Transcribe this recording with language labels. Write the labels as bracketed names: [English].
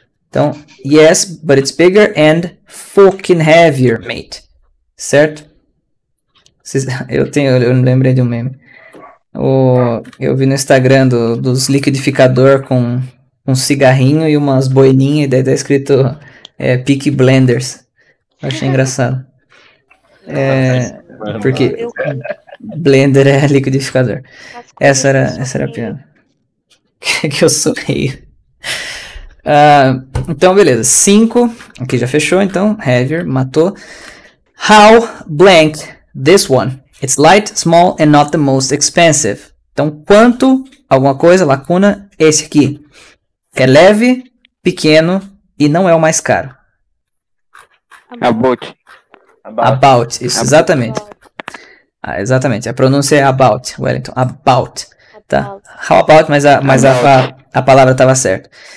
[English] Então, yes, but it's bigger and fucking heavier, mate. [Portuguese] Certo? Eu não lembrei de um meme. Eu vi no Instagram dos liquidificadores com um cigarrinho e umas boininhas, e daí tá escrito Peaky Blenders. Eu achei engraçado. Porque blender é liquidificador. Essa era a piada. Que eu sorri. Então, beleza, 5, aqui já fechou, então, heavier, matou. [English] How blank this one? It's light, small, and not the most expensive. [Portuguese] Então, quanto, alguma coisa, lacuna, esse aqui. É leve, pequeno, e não é o mais caro. [English] About. [Portuguese] About, isso, about. Exatamente. Ah, exatamente, a pronúncia é about, Wellington, about. Tá. [English] How about, [Portuguese] mas a palavra estava certa.